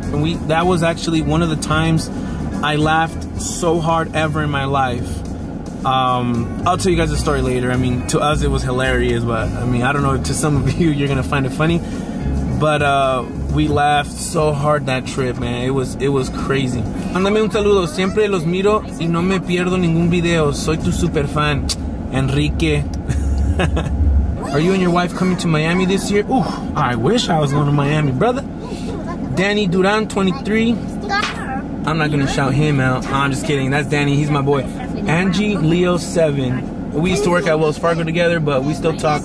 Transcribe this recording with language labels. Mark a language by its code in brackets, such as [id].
[en] And that was actually one of the times I laughed so hard ever in my life. I'll tell you guys a story later. I mean, to us it was hilarious, but I mean, I don't know, to some of you, you're gonna find it funny. But we laughed so hard that trip, man. It was crazy. [es] Mándame un saludo. Siempre los miro y no me pierdo ningún video. Soy tu super fan, Enrique. [en] Are you and your wife coming to Miami this year? Ooh, I wish I was going to Miami, brother. Danny Duran, 23. I'm not going to shout him out. I'm just kidding. That's Danny. He's my boy. Angie Leo, 7. We used to work at Wells Fargo together, but we still talk.